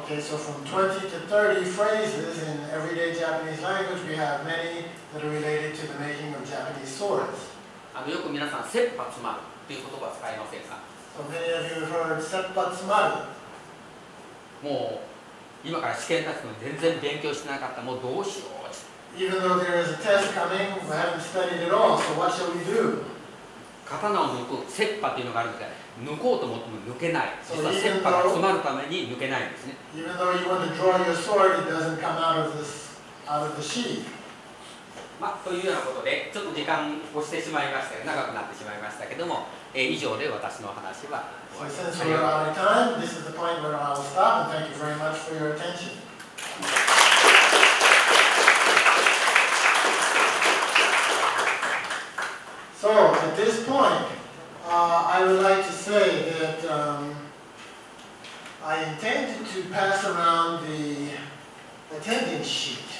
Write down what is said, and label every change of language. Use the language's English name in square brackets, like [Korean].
[English] Okay, so from 20 to 30 phrases in everyday Japanese language, we have many that are related to the making of Japanese swords. [Japanese] よく皆さん、切羽詰まるという言葉は使いませんか？ [English] So many of you have heard 切羽詰まる。 [Japanese] もう今から試験立つのに全然勉強してなかった。もうどうしよう。 [English] Even though there is a test coming, we haven't studied at all, so what shall we do? [Japanese] 刀を抜く、切羽というのがあるんですが、抜こうと思っても抜けない。実は切羽が詰まるために抜けないんですね。 [English] Even though you want to draw your sword, it doesn't come out of this, out of the sheath. [Japanese] まあ、というようなことで、ちょっと時間をしてしまいましたけど、長くなってしまいましたけども、以上で私の話は。 [English] So since we're out of time, this is the point where I'll stop and thank you very much for your attention. So, at this point, I would like to say that I intended to pass around the attendance sheet.